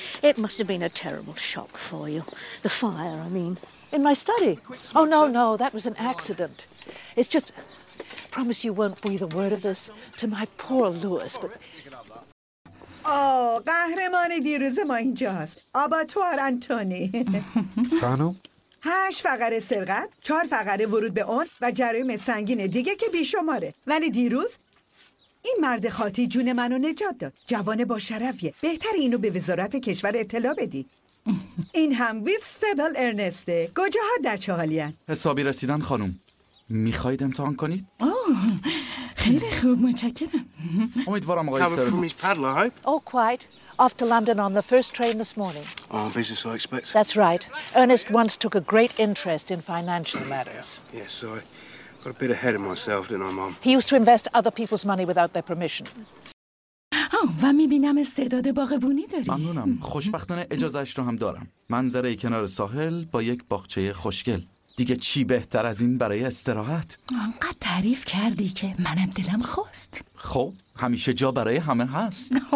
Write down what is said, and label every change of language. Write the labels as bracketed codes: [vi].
[en] It must have been a terrible shock for you. The fire, I mean. In my study. Oh, no, no, that was an accident. It's just... Promise you won't breathe a word of this to my poor Lewis, but... [fa] Oh, قهرمان دیروز ما اینجاست. آباتوار انتونی. خانم؟ 8 فقره سرقت، 4 فقره ورود به اون و جرایم سنگین دیگه که بیشماره. ولی دیروز... این مرد خاطی جون منو نجات داد. جوان با شرفیه. بهتر اینو به وزارت کشور اطلاع بدی. این هم ویستبل ارنسته. کجاها در چه حالین؟ حسابی رسیدن خانم. میخواید امتحان کنید؟ اوه خیلی خوب متشکرم. امیدوارم آقای سر. [en] From his paddler, I hope. Oh, quite. Off to London on the first train this morning. Oh, business, I expect. That's right. Ernest once took a great interest in financial matters. Yes, sorry. Got a bit ahead of myself, didn't I, Mom? He used to invest other people's money without their permission. [fa] آه، و میبینم استعداد باغبونی داری. ممنونم. خوشبختانه اجازه اش رو هم دارم. منظره کنار ساحل با یک باغچه خوشگل. دیگه چی بهتر از این برای استراحت؟ انقدر تعریف کردی که منم دلم خواست. خب همیشه جا برای همه هست.